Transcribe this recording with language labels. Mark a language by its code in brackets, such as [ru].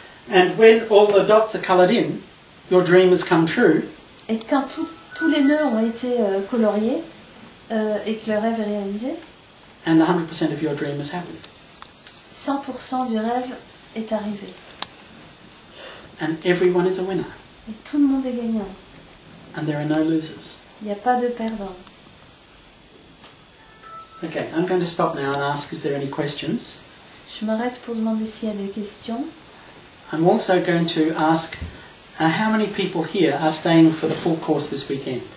[en] And when all the dots are colored in, your dream has come true. [fr] Et quand tous les nœuds ont été coloriés et que le rêve est réalisé, [en] and 100% of your dream has happened. [fr] 100% du rêve est arrivé. [en] And everyone is a winner. [fr] Et tout le monde est gagnant. [en] And there are no losers. [fr] Il y a pas de perdants. [en] Okay, I'm going to stop now and ask, is there any questions? [fr] Je m'arrête pour demander s'il y a des questions. [en] I'm also going to ask, how many people here are staying for the full course this weekend?